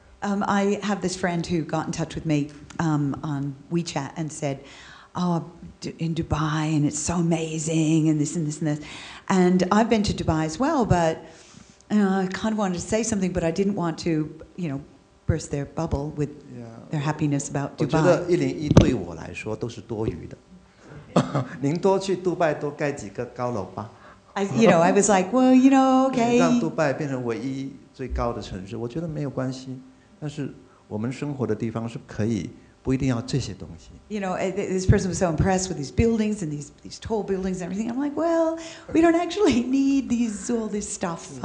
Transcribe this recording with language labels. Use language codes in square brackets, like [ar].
[en] I have this friend who got in touch with me on WeChat and said, oh, in Dubai, and it's so amazing, and this and this and this. And I've been to Dubai as well, but I kind of wanted to say something, but I didn't want to, you know, burst their bubble with their happiness about Dubai. [zh] 我觉得101对我来说都是多余的。您多去杜拜多盖几个高楼吧。 [en] You know, I was like, well, you know, okay. [zh] 让杜拜变成唯一最高的城市，我觉得没有关系，但是我们生活的地方是可以。 [en] You know, this person was so impressed with these buildings and these tall buildings and everything. I'm like, well, we don't actually need all this stuff.